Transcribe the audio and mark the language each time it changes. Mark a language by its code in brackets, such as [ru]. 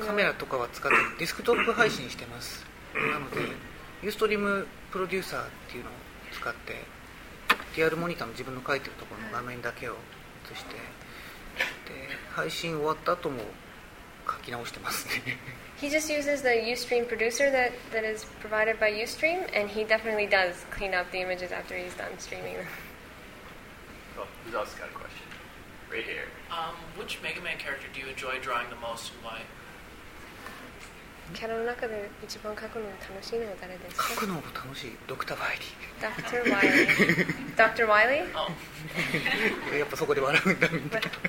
[ja] なカメラとかは使ってディスクトップ配信してます。なのでユーストリームプロデューサーっていうのを使ってリアルモニターの自分の書いてるところの画面だけを映して、で配信終わった後も書き直してますね。 [en] He just uses the Ustream producer that is provided by Ustream, and he definitely does clean up the images after he's done streaming them. Oh, who's also got a question? Right here. Which Mega Man character do you enjoy drawing the most, and why? [ja] キャラの中で一番描くの楽しいのは誰ですか？描くのも楽しい。ドクター・ワイリー。ドクター・ワイリー。ドクター・ワイリー？やっぱそこで笑うんだみたいな。